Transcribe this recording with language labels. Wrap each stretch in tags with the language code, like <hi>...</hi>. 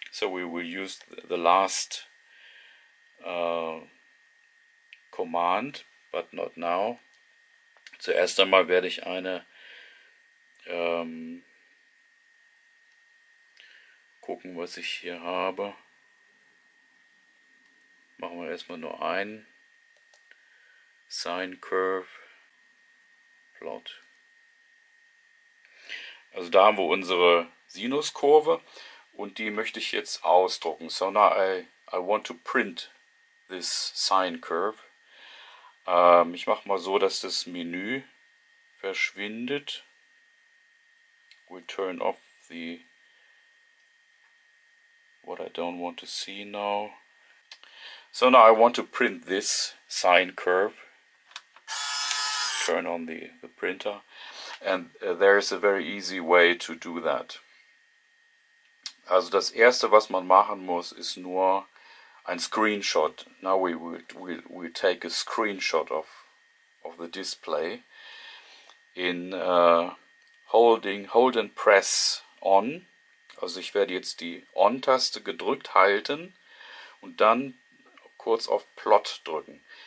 <en>So we will use the last command, but not now.</en> <de>Zuerst einmal werde ich eine gucken, was ich hier habe. Machen wir erstmal nur einen. Sine Curve Plot. Also da haben wir unsere Sinuskurve und die möchte ich jetzt ausdrucken.</de> <en>So now I want to print this sine curve.</en> <de>Ich mache mal so, dass das Menü verschwindet.</de> <en>We turn off the what I don't want to see now. So now I want to print this sine curve. Turn on the printer. And there is a very easy way to do that.</en> <de>Also das erste, was man machen muss, ist nur ein Screenshot.</de> <en>Now we take a screenshot of the display in hold and press on.</en> <de>Also ich werde jetzt die On-Taste gedrückt halten und dann kurz auf Plot drücken.</de>